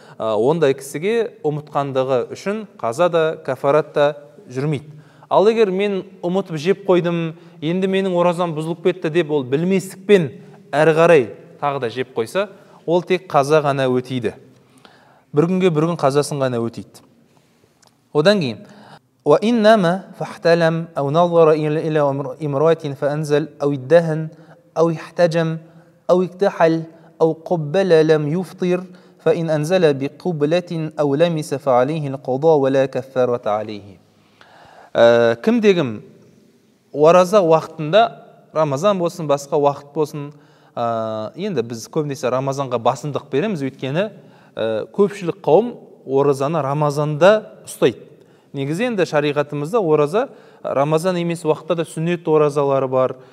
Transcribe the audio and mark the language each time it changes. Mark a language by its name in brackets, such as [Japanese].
[Kazakh] Ондай кісіге ұмытқандығы үшін қаза да, кафарат та жүрмейді. Ал егер мен ұмытып жеп қойдым, енді менің оразам бұзылып кетті деп ол білместікпен әрі қарай тағы да жеп қойса, ол тек қаза ғана өтейді. Бір күнге бір күн қазасын ғана өтейді. Одан кейін [Arabic] وإنما فاحتلم أو نظر إلى امرأة فأنزل أو ادهن أو احتجم أو اكتحل أو قبل لم يفطر فإن أنزل بقبلة أو لمس فعليه القضاء ولا كفارة عليه. [Kazakh] Кім дегім ораза уақытында, Рамазан болсын, басқа уақыт болсын, енді біз көбінесе Рамазанға басымдық береміз, өйткені көпшілік қауым оразаны Рамазанда ұстайды. Негізі енді шариғатымызда ораза Рамазан емес уақытта да сүннет оразалары бар.